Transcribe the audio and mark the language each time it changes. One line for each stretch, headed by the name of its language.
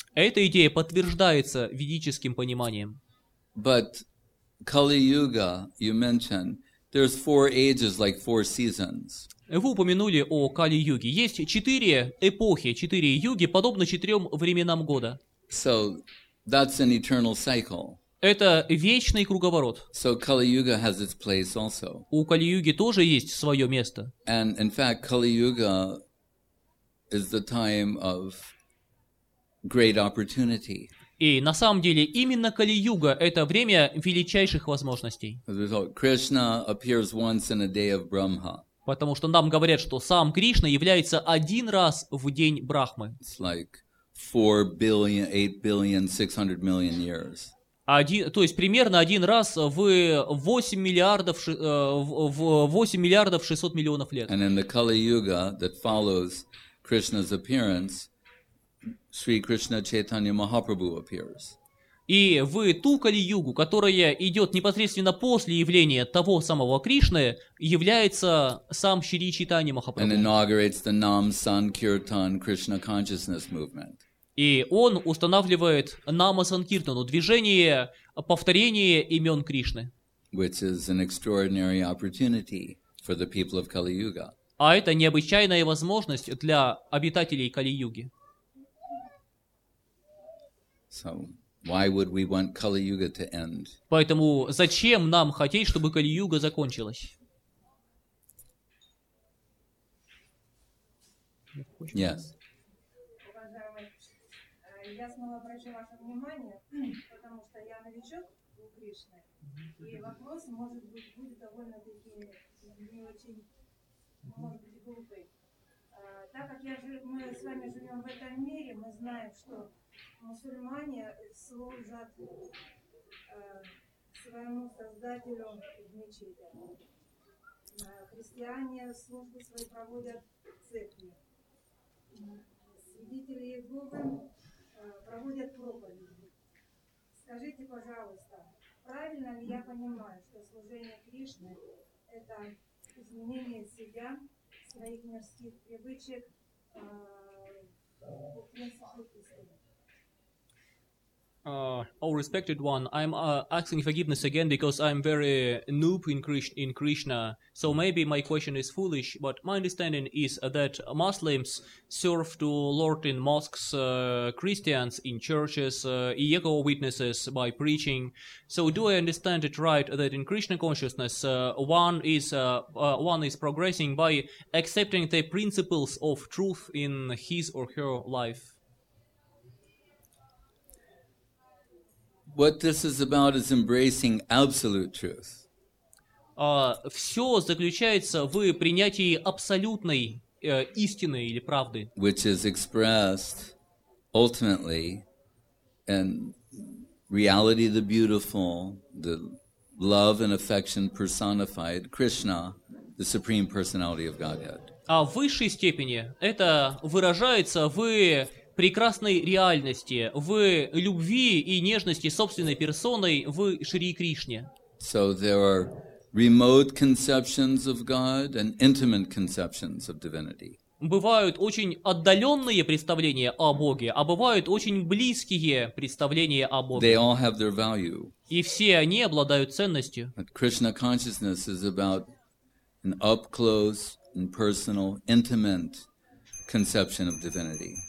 Russian: Эта идея подтверждается ведическим пониманием.
English: But Kali Yuga, you mentioned, there's four ages like four seasons.
Russian: Вы упомянули о Кали-Юге. Есть четыре эпохи, четыре юги, подобно четырем временам года.
English: So that's an eternal cycle.
Russian: Это вечный круговорот.
English: So Kali-Yuga has its place also.
Russian: У Кали-Юги тоже есть свое место.
English: And in fact, Kali-Yuga is the time of great opportunity.
Russian: И на самом деле именно Кали-Юга – это время величайших возможностей.
English: As a result, Krishna appears once in a day of Brahma.
Russian: Потому что нам говорят, что сам Кришна является один раз в день Брахмы.
English: It's like 4 billion, 8 billion, 600 million years.
Russian: Один, то есть примерно один раз в 8 миллиардов 600 миллионов лет.
English: And in the Kali-Yuga that follows Krishna's appearance, Sri Krishna Chaitanya Mahaprabhu appears.
Russian: И в ту Кали-Югу, которая идет непосредственно после явления того самого Кришны, является сам Шри Чайтанья Махапрабху.
English: And inaugurates the Nam Sankirtan Krishna Consciousness Movement.
Russian: И он устанавливает Нама Санкиртану, движение повторения имен Кришны.
English: Which is an extraordinary opportunity for the people of Kali-Yuga.
Russian: А это необычайная возможность для обитателей Кали-Юги.
English: So, why would we want Kali Yuga to end?
Russian: Поэтому зачем нам хотеть, чтобы Кали Юга закончилась?
English: Yes.
Russian: Уважаемый, я снова обращу ваше внимание, потому что я новичок у Кришны, и вопрос может быть будет довольно таки не очень, может быть глупый. Так как мы с вами живем в этом мире, мы знаем, что мусульмане служат своему создателю в мечети. Христиане службы свои проводят в церкви. Свидетели Иеговы проводят проповеди. Скажите, пожалуйста, правильно ли я понимаю, что служение Кришне – это изменение себя, своих мирских привычек, в принципе, истины?
English: Oh, respected one, I'm asking forgiveness again because I'm very noob in Krishna. So maybe my question is foolish, but my understanding is that Muslims serve to Lord in mosques, Christians in churches, ego witnesses by preaching. So do I understand it right that in Krishna consciousness one is progressing by accepting the principles of truth in his or her life? What this is about is embracing absolute truth.
Russian: Все заключается в принятии абсолютной истины или правды.
English: Which is expressed ultimately in reality the beautiful, the love and affection personified, Krishna, the Supreme Personality of Godhead.
Russian: А в высшей степени это выражается в прекрасной реальности, в любви и нежности собственной персоной в Шри Кришне.
English: So there are remote conceptions of God and intimate conceptions of divinity.
Russian: Бывают очень отдаленные представления о Боге, а бывают очень близкие представления о Боге.
English: They all have their value.
Russian: И все они обладают ценностью.
English: But Krishna consciousness is about an up close and personal, intimate conception of divinity.